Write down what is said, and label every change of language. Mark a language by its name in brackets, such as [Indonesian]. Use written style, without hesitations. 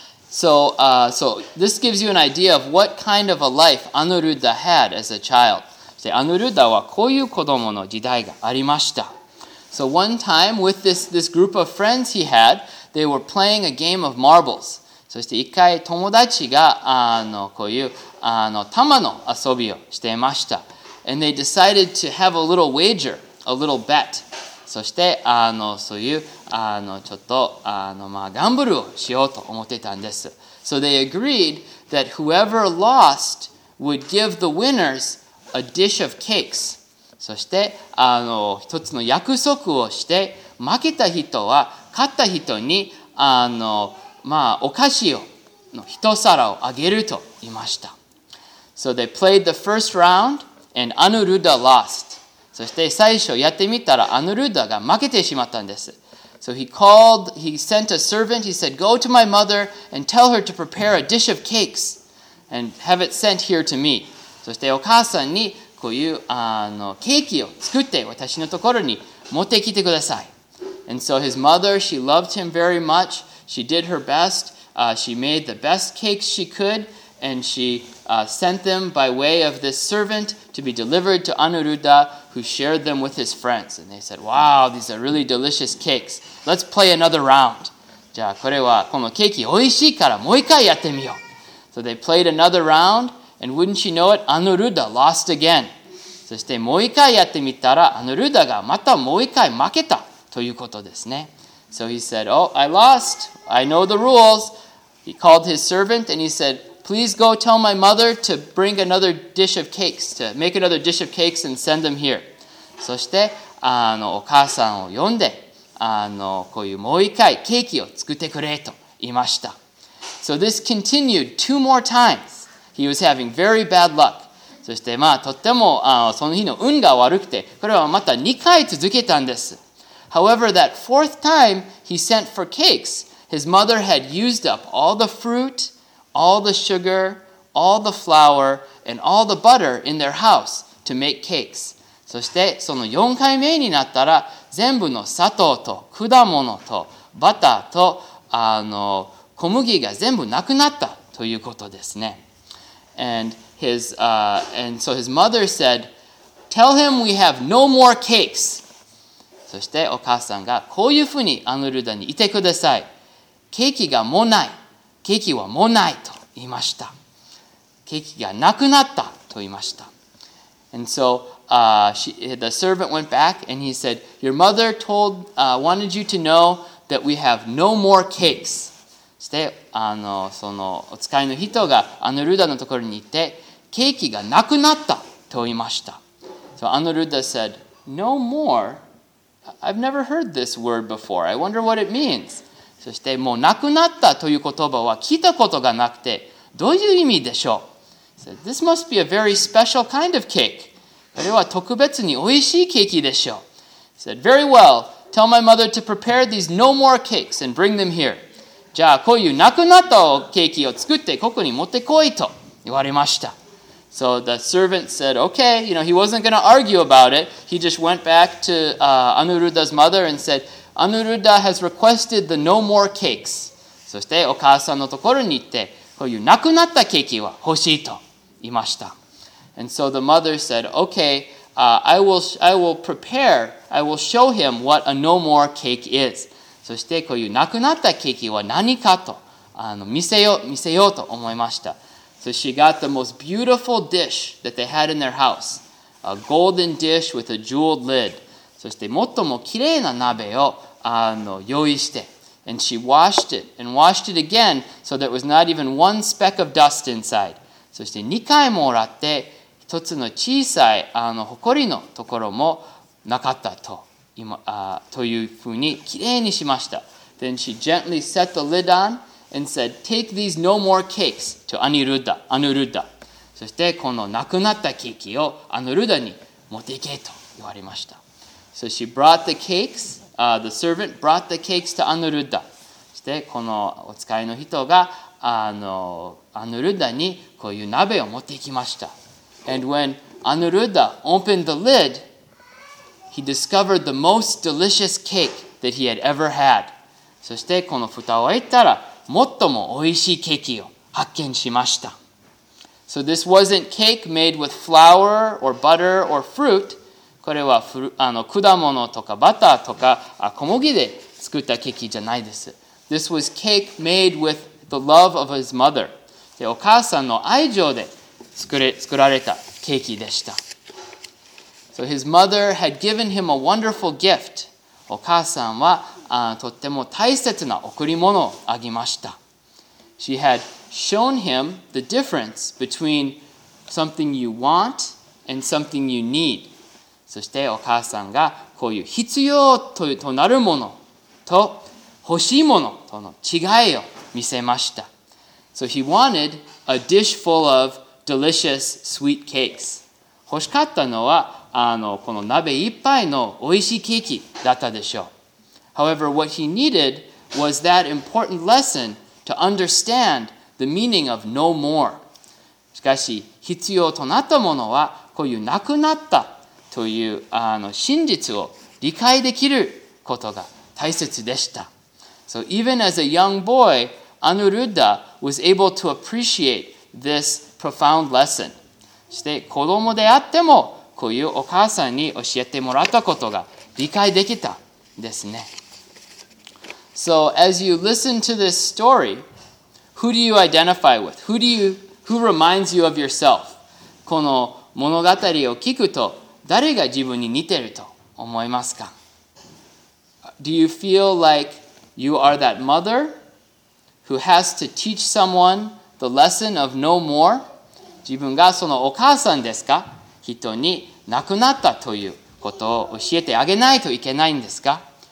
[English] So this gives you an idea of what kind of a life Anuruddha had as a child. [Japanese] で、Anuruddhaはこういう子供の時代がありました。 [English] So one time with this group of friends he had, they were playing a game of marbles. [Japanese] そして一回友達があのこういうあの玉の遊びをしていました。 [English] And they decided to have a little wager, a little bet. [Japanese] そしてあのそういうあのちょっとあのまあギャンブルをしようと思ってたんです。 [English] So they agreed that whoever lost would give the winners a dish of cakes. [Japanese] そしてあの一つの約束をして負けた人は勝った人にあの、まあ、お菓子をの一皿をあげると言いました。 [English] So they played the first round and Anuruddha lost. [Japanese] そして最初やってみたらアヌルダが負けてしまったんです。 [English] So he sent a servant, he said, go to my mother and tell her to prepare a dish of cakes and have it sent here to me. [Japanese] そしてお母さんにこういうあのケーキを作って私のところに持ってきてください。 [English] And so his mother, she loved him very much. She did her best. She made the best cakes she could, and she sent them by way of this servant to be delivered to Anuruddha, who shared them with his friends. And they said, "Wow, these are really delicious cakes. Let's play another round." [Japanese] じゃあこれはこのケーキおいしいからもう一回やってみよう。 [English] So they played another round. And wouldn't you know it, Anuruddha lost again. [Japanese] そしてもう一回やってみたら、Anuruddhaがまたもう一回負けたということですね。 [English] So he said, oh, I lost. I know the rules. He called his servant and he said, please go tell my mother to bring another dish of cakes, to make another dish of cakes and send them here. [Japanese] そしてあのお母さんを呼んで、あのこういうもう一回ケーキを作ってくれと言いました。 [English] So this continued two more times. He was having very bad luck. [Japanese] そしてまあとってもあのその日の運が悪くてこれはまた2回続けたんです。 [English] However, that fourth time he sent for cakes, his mother had used up all the fruit, all the sugar, all the flour, and all the butter in their house to make cakes. [Japanese] そしてその4回目になったら全部の砂糖と果物とバターとあの小麦が全部なくなったということですね。 [English] And so his mother said, tell him we have no more cakes. [Japanese] そしてお母さんがこういうふうにアヌルダにいてください。ケーキがもうない。ケーキはもうないと言いました。ケーキがなくなったと言いました。 [English] And so, the servant went back and he said, your mother wanted you to know that we have no more cakes. [Japanese] そして、そのお使いの人がアヌルダのところに行って、ケーキがなくなったと言いました。 [English] So, アヌルダ said, No more. I've never heard this word before. I wonder what it means. [Japanese] そして、もうなくなったという言葉は聞いたことがなくて、どういう意味でしょう？ [English] So, This must be a very special kind of cake. [Japanese] これは特別においしいケーキでしょう。 [English] He said, Very well. Tell my mother to prepare these no more cakes and bring them here. [Japanese] じゃあこういうなくなったケーキを作ってここに持ってこいと言われました。 [English] So the servant said, okay, you know, he wasn't going to argue about it. He just went back to Anuruddha's mother and said, Anuruddha has requested the no more cakes. [Japanese] そしてお母さんのところに行って、こういうなくなったケーキは欲しいと言いました。 [English] And so the mother said, okay, I will show him what a no more cake is. [Japanese] そしてこういうなくなったケーキは何かと見せようと思いました。 [English] So she got the most beautiful dish that they had in their house. A golden dish with a jeweled lid. [Japanese] そして最も綺麗な鍋を用意して。 And she washed it and washed it again so there was not even one speck of dust inside. そして2回も洗って一つの小さいほこりのところもなかったと。というふうにきれいにしました。 [English] Then she gently set the lid on and said, Take these no more cakes to Anuruddha. [Japanese] そしてこのなくなったケーキをアヌルダに持っていけと言われました。 [English] So she brought the cakes, the servant brought the cakes to Anuruddha. [Japanese] そしてこのお使いの人がアヌルダにこういう鍋を持ってきました。 [English] And when Anuruddha opened the lid,He discovered the most delicious cake that he had ever had. [Japanese] そしてこの蓋を開いたら最も美味しいケーキを発見しました。 [English] So this wasn't cake made with flour or butter or fruit. [Japanese] これは果物とかバターとか小麦で作ったケーキじゃないです。 [English] This was cake made with the love of his mother. [Japanese] で、お母さんの愛情で作られたケーキでした。 [English] So his mother had given him a wonderful gift. [Japanese] お母さんはとっても大切な贈り物をあげました。 [English] She had shown him the difference between something you want and something you need. [Japanese] そしてお母さんがこういう必要となるものと欲しいものとの違いを見せました。 [English] So he wanted a dish full of delicious sweet cakes. [Japanese] 欲しかったのはこの鍋いっぱいの美味しいケーキだったでしょう。 [English] However, what he needed was that important lesson to understand the meaning of no more. [Japanese] しかし、必要となったものは、こういうなくなったという真実を理解できることが大切でした。 [English] So even as a young boy, Anuruddha was able to appreciate this profound lesson. [Japanese] そして、子供であっても、こういうお母さんに教えてもらったことが理解できたですね。 [English] So, as you listen to this story, who do you identify with? Who reminds you of yourself? [Japanese] この物語を聞くと、誰が自分に似てると思いますか? [English] Do you feel like you are that mother who has to teach someone the lesson of no more? [Japanese] 自分がそのお母さんですか?人に亡くなったということを教えてあげないといけないんですか?